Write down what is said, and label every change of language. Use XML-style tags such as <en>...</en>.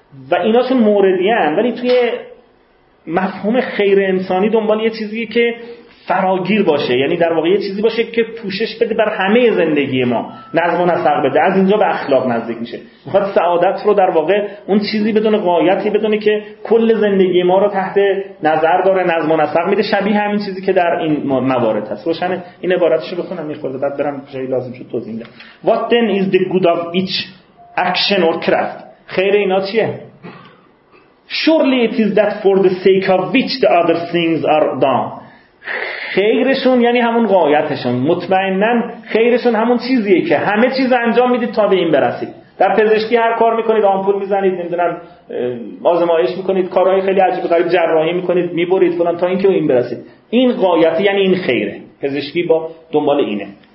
<fa>و اینا چه موردیان، ولی توی مفهوم خیر انسانی دنبال یه چیزیه که فراگیر باشه، یعنی در واقع یه چیزی باشه که پوشش بده بر همه زندگی ما، نظم و نسق بده. از اینجا به اخلاق نزدیک میشه، میخواد سعادت رو در واقع اون چیزی بدون غایتی بدونه که کل زندگی ما رو تحت نظر داره، نظم و نسق میده، شبیه همین چیزی که در این موارد هست. روشنه؟ این عبارتشو بخونم میخوره، بعد برم جایی لازم شد توضیح میدم.</fa> <en>What then is the good of each action or craft؟</en> <fa>خیر اینا چیه؟</fa> <en>Surely it is that for the sake of which the other things are done.</en> <fa>خیرشون یعنی همون غایتشون، مطمئنن خیرشون همون چیزیه که همه چیز انجام میدید تا به این برسید. در پزشکی هر کار میکنید، آمپول میزنید، نمیدونم آزمایش میکنید، کارهای خیلی عجیب غریب، جراحی میکنید، میبرید فلان، تا اینکه به این برسید. این غایت یعنی این خیره، پزشکی با دنبال اینه.</fa>